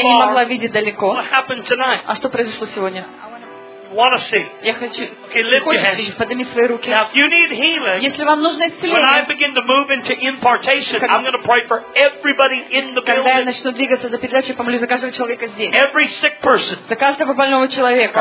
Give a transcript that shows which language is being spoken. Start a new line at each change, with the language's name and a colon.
Russian: Я не могла видеть далеко.
English: What happened tonight?
Russian: А что произошло сегодня?
English: want to see.
Russian: Я хочу.
English: Okay, lift your hands.
Russian: Подними свои руки.
English: Now, if you need healing,
Russian: если вам нужно исцеление,
English: when I begin to move into impartation, I'm going to pray for everybody in the building.
Russian: Когда я начну двигаться за передачу, помолюсь за каждого человека здесь.
English: Every sick person.
Russian: За каждого больного человека.